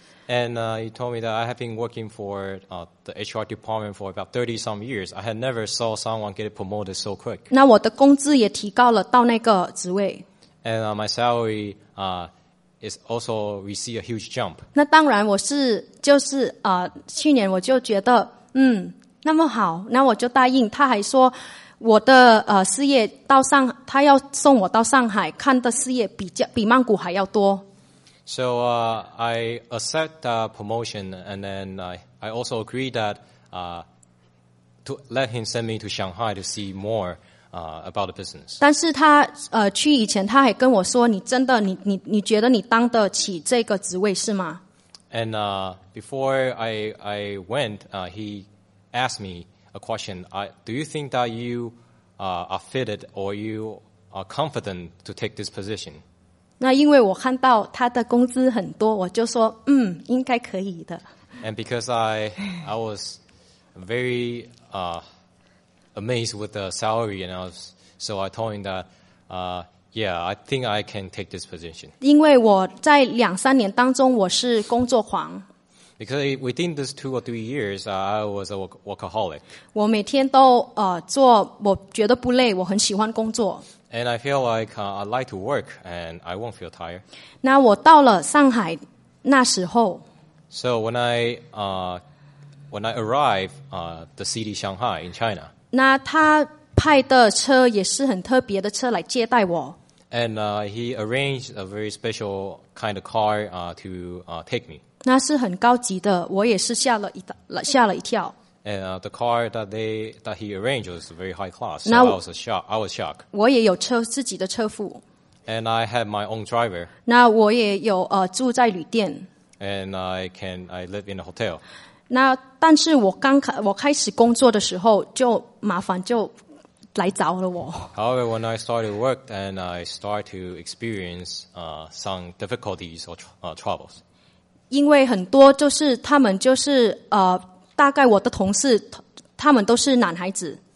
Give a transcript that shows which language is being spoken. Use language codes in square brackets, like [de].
[en] And he told me that I have been working for the HR department for about 30 some years. I had never saw someone get promoted so quick. [zh] 那我的工资也提高了到那个职位。 [en] And my salary is also received a huge jump. [zh] 那当然我是就是去年我就觉得那么好，那我就答应。他还说我的事业到上，他要送我到上海看的事业比曼谷还要多。 [en] So I accept the promotion, and then I also agree that to let him send me to Shanghai to see more about the business. [zh] 但是他去以前他还跟我说，你真的你觉得你当得起这个职位是吗？ [en] And before I went, he asked me a question. Do you think that you are fitted or you are confident to take this position? [zh] 那因为我看到他的工资很多，我就说应该可以的。 [en] And because I was very amazed with the salary, and so I told him that I think I can take this position. [zh] 因为我在两三年当中我是工作狂。 [en] Because within these 2 or 3 years, I was a workaholic. [zh] 我每天都做，我觉得不累，我很喜欢工作。 [en] And I feel like I like to work, and I won't feel tired. [zh] 那我到了上海那时候。 [en] So when I arrived, the city Shanghai in China. [zh] 那他派的车也是很特别的车来接待我。 [en] And he arranged a very special kind of car to take me. [zh] 那是很高级的，我也是吓了一跳。 [en] And the car that he arranged was very high class. So I was shocked. [zh] 我也有车，自己的车夫。 [en] And I had my own driver. [zh] 那我也有住在旅店。 [en] And I live in a hotel. [zh] 那但是我开始工作的时候，就麻烦就来找了我。 [en] However, when I started work, and I started to experience some difficulties or troubles. [zh] 因为很多就是他们就是大概我的同事他们都是男孩子。